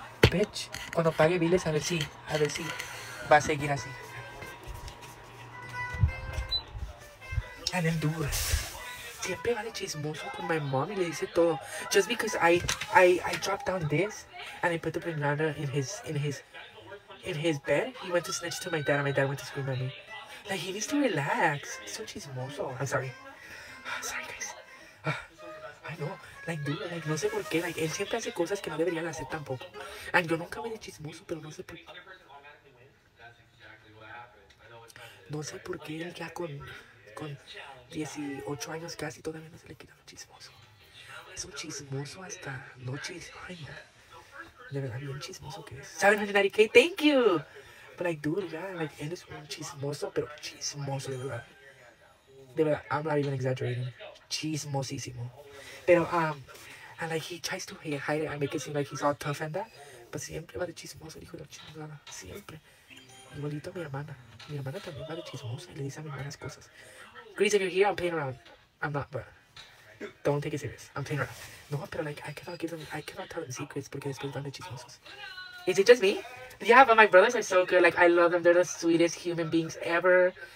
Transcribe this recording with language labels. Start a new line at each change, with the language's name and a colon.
Spanish: Bitch, cuando pague biles a ver si va a seguir así.
English: And then dude.
Spanish: Siempre vale chismoso con
English: my mom
Spanish: y le dice todo.
English: Just because I dropped down this and I put the banana in his bed, he went to snitch to my dad and my dad went to scream at me. Like, he needs to relax. So chismoso. I'm sorry. Sorry, guys. I know. Like, dude, like,
Spanish: no sé por qué. Like, él siempre hace cosas que no deberían hacer tampoco. And yo nunca voy de chismoso, pero no sé por qué. No sé por qué él ya con 18 años casi todavía no se le quita lo chismoso. Es un chismoso hasta noches. Ay, de verdad, bien chismoso que es. ¿Saben, Nari K?
English: Thank you. But like, dude, yeah, like,
Spanish: él es un chismoso, pero chismoso, de verdad. De verdad,
English: I'm not even exaggerating. Chismosísimo. Pero, and like, he tries to hide it and make it seem like he's all tough and that.
Spanish: But siempre va de chismoso, el hijo de la chingada. Siempre. Igualito a mi hermana. Mi hermana también va de chismoso y le dice a mi hermana las cosas.
English: Grease, if you're here, I'm playing around. I'm not, but don't take it serious. I'm playing around. No, but like, I cannot tell them secrets because they're supposed to be chismosos. Is it just me? Yeah, but my brothers are so good. Like, I love them. They're the sweetest human beings ever.